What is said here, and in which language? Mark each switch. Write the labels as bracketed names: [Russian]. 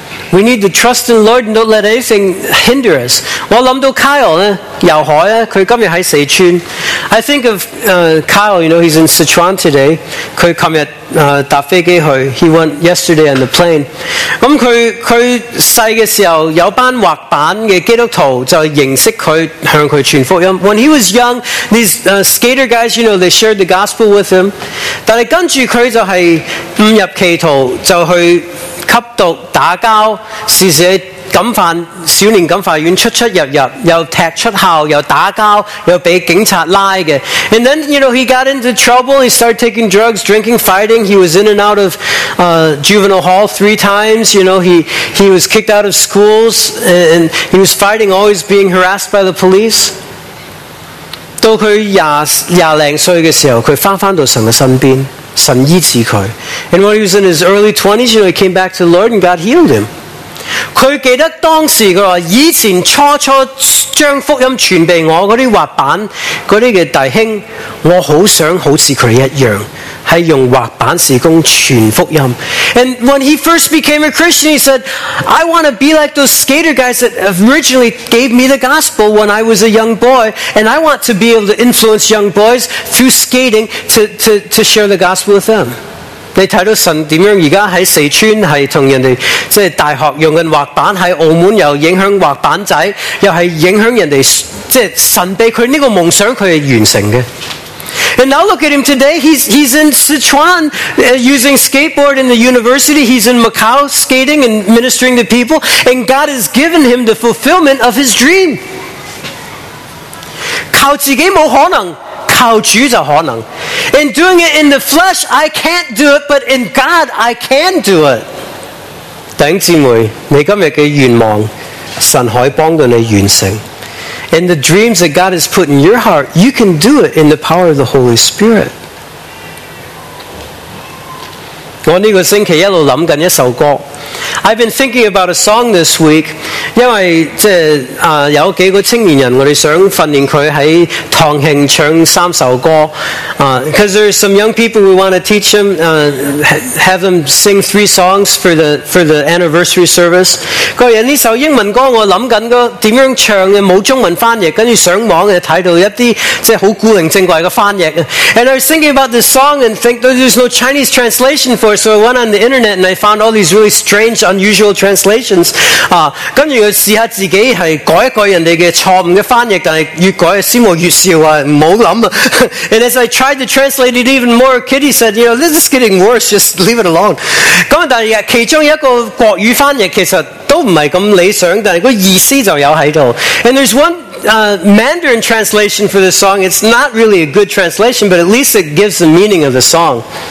[English] We need to trust in the Lord and don't let anything hinder us. [Cantonese] 我谂到 Kyle 咧，游海咧，佢今日喺四川。 [English] I think of Kyle, you know, he's in Sichuan today. [Cantonese] 佢今日搭飞机去， [English] he went yesterday on the plane. [Cantonese] 咁佢细嘅时候有班滑板嘅基督徒就认识佢，向佢传福音。 [English] When he was young, these skater guys, you know, they shared the gospel with him. [Cantonese] 但系跟住佢就系误入歧途，就去吸毒、打交，时时感犯少年感犯院出出入入，又踢出校，又打交，又被警察拉嘅。 [English] And then you know he got into trouble. He started taking drugs, drinking, fighting. He was in and out of juvenile hall 3 times. You know he was kicked out of schools and he was fighting, always being harassed by the police. [Cantonese] 到佢20多岁嘅时候，佢翻到神嘅身边。神医治佢。 [English] And when he was in his early 20s, you know, he came back to the Lord and God healed him. [Cantonese] 佢记得当时佢话以前初初将福音传俾我嗰啲滑板嗰啲嘅弟兄，我好想好似佢一样，系用滑板事工传福音。 [English] And when he first became a Christian, he said, I want to be like those skater guys that originally gave me the gospel when I was a young boy, and I want to be able to influence young boys through skating to share the gospel with them. [Cantonese] 你睇到神点样而家喺四川系同人哋即系大学用紧滑板，喺澳门又影响滑板仔，又系影响人哋，即系神俾佢呢个梦想，佢系完成嘅。 [English] And now look at him today. He's in Sichuan using skateboard in the university. He's in Macau skating and ministering to people. And God has given him the fulfillment of his dream. [Cantonese] 靠自己冇可能，靠主就可能。 [English] In doing it in the flesh, I can't do it, but in God, I can do it. [Cantonese] 弟兄姊妹，你今日嘅愿望，神可以帮到你完成。 [English] In the dreams that God has put in your heart, you can do it in the power of the Holy Spirit. [Cantonese] 我呢个星期一路谂紧一首歌。 [English] I've been thinking about a song this week, [Cantonese] 因为即系有几个青年人，我哋想训练佢喺堂庆唱三首歌 [English] Because there are some young people we want to teach them, have them sing three songs for the anniversary service. [Cantonese] 佢话呢首英文歌我谂紧个点样唱嘅，冇中文翻译，跟住上网就睇到一啲即系好古灵精怪嘅翻译。 [English] And I was thinking about this song and think there's no Chinese translation for it, so I went on the internet and I found all these really strange, unusual translations. [Cantonese] 跟住试下自己系改一改人哋嘅错误嘅翻译，但系越改先冇越笑啊，唔好谂 [English] 啊。And as I tried to translate it even more, Kitty said, "You know, this is getting worse. Just leave it alone." [Cantonese] 咁但系其中一个国语翻译其实都唔系咁理想，但系个意思就有喺度。 [English] And there's one Mandarin translation for this song. It's not really a good translation, but at least it gives the meaning of the song.